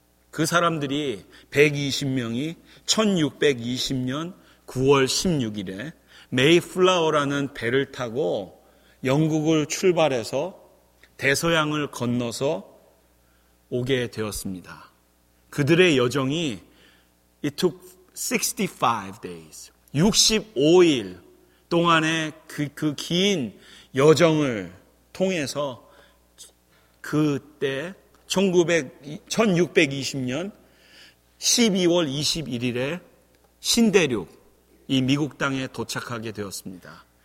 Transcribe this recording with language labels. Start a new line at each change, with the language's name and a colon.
Korean: 그 사람들이 120명이 1620년 9월 16일에 메이플라워라는 배를 타고 영국을 출발해서 대서양을 건너서 오게 되었습니다. 그들의 여정이
English: It took 65 days.
Korean: 65일 동안의 그 긴 여정을 통해서 그때 1620년 12월 21일에 신대륙 이 미국 땅에 도착하게 되었습니다.